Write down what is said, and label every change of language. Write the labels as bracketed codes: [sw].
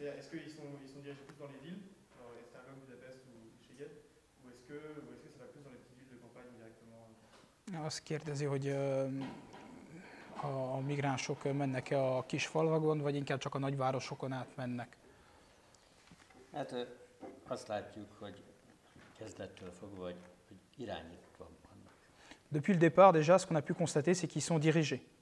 [fr] Est-ce qu'ils sont dirigés plus dans les villes, Esztergom, Budapest ou Szeged, ou est-ce que ça va plus dans les petites villes de campagne directement ? [hu] Azt kérdezi, hogy a migránsok mennek-e a kis falvakon, vagy inkább csak a nagyvárosokon átmennek? Hát azt látjuk, hogy kezdettől fogva, hogy irányítva vannak. [fr] Depuis le départ, déjà, ce qu'on a pu constater, c'est qu'ils sont dirigés.